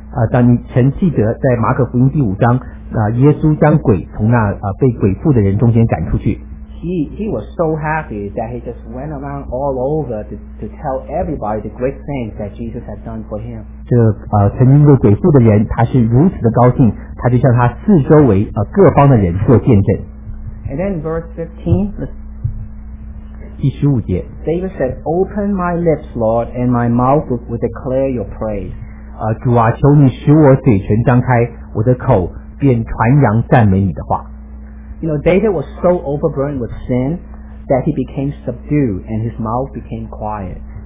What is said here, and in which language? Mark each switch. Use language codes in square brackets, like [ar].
[zh] 当你曾记得在马可福音第五章，耶稣将鬼从那被鬼附的人中间赶出去。 [en] He was so happy that he just went around all over to tell everybody the great things that Jesus had done for him. [zh] 这曾经被鬼附的人，他是如此的高兴，他就向他四周围各方的人做见证。 [en] And then verse 15. [zh] 第15节 [en] David said, Open my lips, Lord, and my mouth will declare your praise. [zh] 主啊，求你使我嘴唇张开，我的口便传扬赞美你的话。 [en] You know, David was so overburdened with sin that he became subdued and his mouth became quiet.